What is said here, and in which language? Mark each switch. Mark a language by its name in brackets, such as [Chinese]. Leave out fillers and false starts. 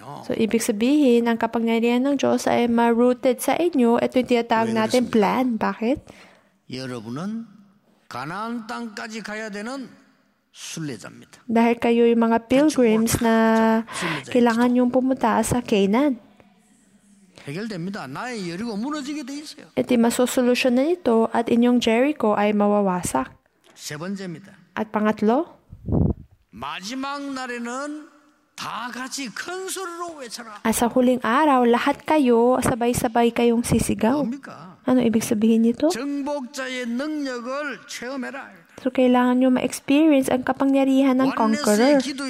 [Filipino] So, ibig sabihin, ang kapangyarihan ng Diyos ay ma-rooted sa inyo. Ito yung tinatawag natin plan. Bakit? [Korean] 여러분은 가나안 땅까지 가야 되는 순례자입니다. 다들 [Filipino] kayo yung mga pilgrims na kailangan yung pumunta sa Canaan. [Korean] 해결됩니다. 나의 여리고 무너지게 돼 있어요. 이때 마소솔루션은 [Filipino] ito at inyong Jericho ay mawawasak. [Korean] 세 번째입니다. [Filipino] At pangatlo? [Korean] 마지막 날에는 다 같이 큰 소리로 외쳐라. [Filipino] At sa huling araw, lahat kayo sabay-sabay kayong sisigaw. [Korean] 뭡니까? [Filipino] Ano ibig sabihin nito? [Korean] 정복자의 능력을 체험해라. [Filipino] So kailangan nyo ma-experience ang kapangyarihan ng conqueror.